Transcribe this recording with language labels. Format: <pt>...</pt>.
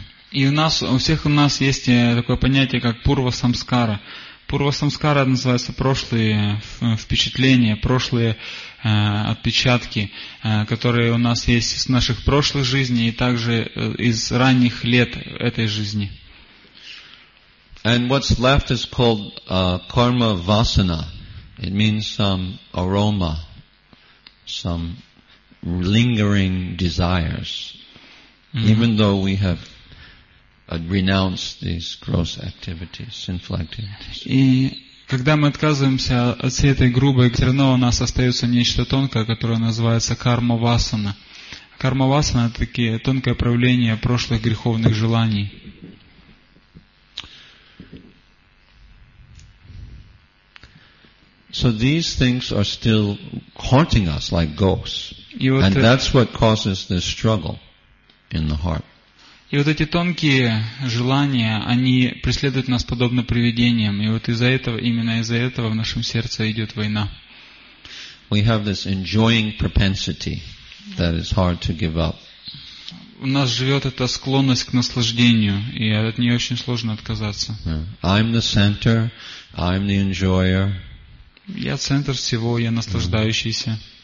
<ru>И у всех у нас есть такое понятие как purva samskara. Пурва самскара называется прошлые впечатления, прошлые отпечатки, которые у нас есть из наших прошлых жизней и также из ранних лет этой жизни.</ru> <en>And what's left is called karma vasana. It means some aroma, some lingering desires. Even though we have renounce these gross activities, sinful activities.</en> <ru>И когда мы отказываемся от всей этой грубой, все равно у нас остается нечто тонкое, которое называется карма васана. Карма васана — это такие тонкое проявление прошлых греховных желаний.</ru> <en>So these things are still haunting us like ghosts. And that's what causes this struggle in the heart.</en> <ru>И вот эти тонкие желания, они преследуют нас подобно привидениям. И вот из-за этого, именно из-за этого в нашем сердце идет война.</ru> <en>We have this enjoying propensity that is hard to give up.</en> <ru>У нас живет эта склонность к наслаждению, и от нее очень сложно отказаться.</ru> <en>I'm the center, I'm the enjoyer.</en> <ru>Я центр всего, я наслаждающийся.</ru>